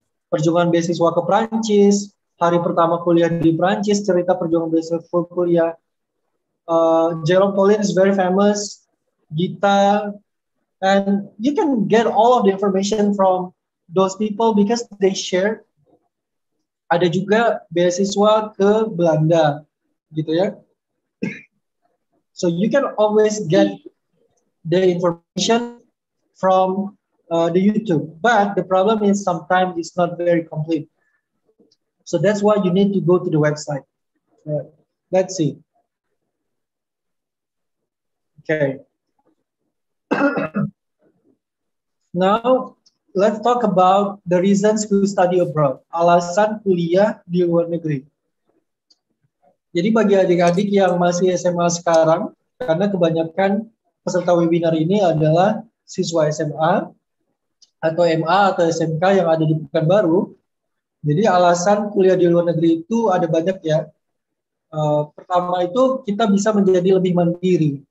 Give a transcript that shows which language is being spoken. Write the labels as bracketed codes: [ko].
[id] Perjuangan beasiswa ke Prancis, hari pertama kuliah di Prancis, cerita perjuangan beasiswa kuliah. [en] Jerome Pauline is very famous, Gita, and you can get all of the information from those people because they share. [id] Ada juga beasiswa ke Belanda, gitu ya. [en] So you can always get the information from the YouTube, but the problem is sometimes it's not very complete. So that's why you need to go to the website. Let's see. Okay. Now, let's talk about the reasons to study abroad. [id] Alasan kuliah di luar negeri. Jadi bagi adik-adik yang masih SMA sekarang, karena kebanyakan peserta webinar ini adalah siswa SMA, atau MA atau SMK yang ada di Pekanbaru. Jadi alasan kuliah di luar negeri itu ada banyak ya. Pertama itu kita bisa menjadi lebih mandiri.